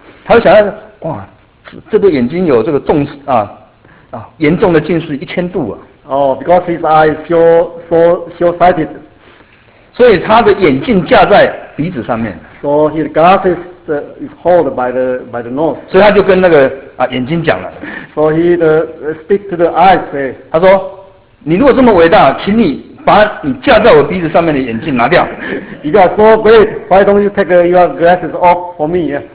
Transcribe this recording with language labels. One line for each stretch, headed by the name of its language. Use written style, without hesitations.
Chinese: 他就想到，哇，这对眼睛有这个重严重的近视1000度啊。
English: Oh, because his eye is so sighted.
Chinese: 所以他的眼镜架在鼻子上面。
English: So his glasses is held by the nose.
Chinese: 所以他就跟那个眼睛讲了。
English: So he speak to the eyes.
Chinese: 他说：“你如果这么伟大，请你把你架在我鼻子上面的眼镜拿掉。
English: ”You are so great. Why don't you take your glasses off for me?、Yeah?